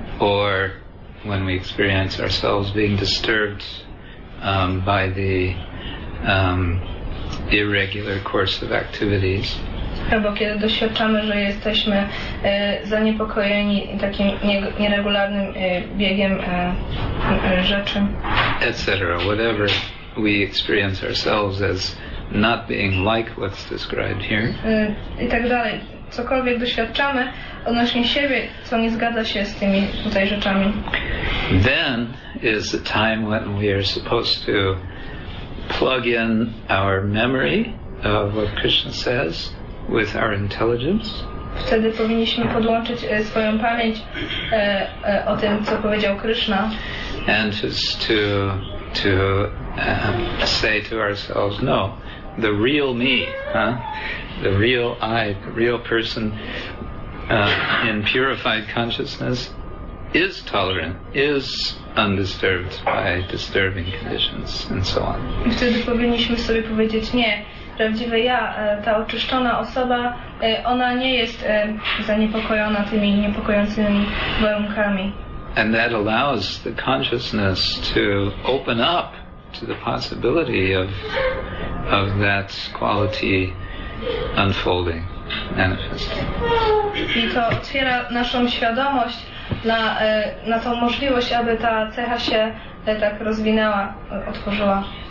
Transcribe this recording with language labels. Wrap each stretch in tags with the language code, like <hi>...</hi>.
<en>or when we experience ourselves being disturbed by the irregular course of activities,</en> <pl>albo kiedy doświadczamy, że jesteśmy zaniepokojeni takim nieregularnym biegiem rzeczy,</pl> <en>etc. Whatever we experience ourselves as not being like what's described here.</en> <pl>I tak dalej. Cokolwiek doświadczamy odnośnie siebie, co nie zgadza się z tymi tutaj rzeczami.</pl> <en>Then is the time when we are supposed to plug in our memory of what Krishna says with our intelligence.</en> <pl>Wtedy powinniśmy podłączyć swoją pamięć o tym, co powiedział Krishna.</pl> <en>And just to say to ourselves, no, the real me, huh? The real I, the real person in purified consciousness is tolerant, is undisturbed by disturbing conditions, and so on.</en> <pl>Wtedy powinniśmy sobie powiedzieć, nie, prawdziwe ja, ta oczyszczona osoba, ona nie jest zaniepokojona tymi niepokojącymi warunkami.</pl> <en>And that allows the consciousness to open up to the possibility of that quality unfolding, manifesting.</en> <pl>I to otwiera naszą świadomość na tą możliwość, aby ta cecha się tak rozwinęła, otworzyła.</pl>